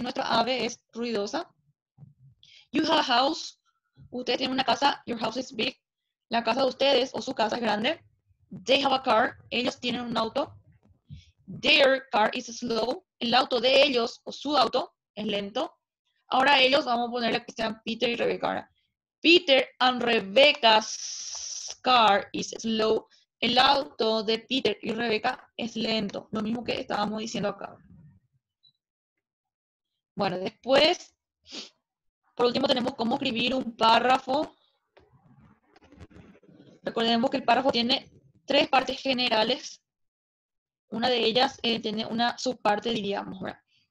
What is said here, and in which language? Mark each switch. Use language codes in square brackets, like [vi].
[es] Nuestra ave es ruidosa. [en] You have a house. [es] Ustedes tienen una casa. [en] Your house is big. [es] La casa de ustedes o su casa es grande. [en] They have a car. [es] Ellos tienen un auto. [en] Their car is slow. [es] El auto de ellos o su auto es lento. Ahora ellos vamos a ponerle que sean Peter y Rebecca. [en] Peter and Rebecca's car is slow. [es] El auto de Peter y Rebecca es lento. Lo mismo que estábamos diciendo acá. Bueno, después... Por último, tenemos cómo escribir un párrafo. Recordemos que el párrafo tiene tres partes generales. Una de ellas tiene una subparte, diríamos, ¿verdad?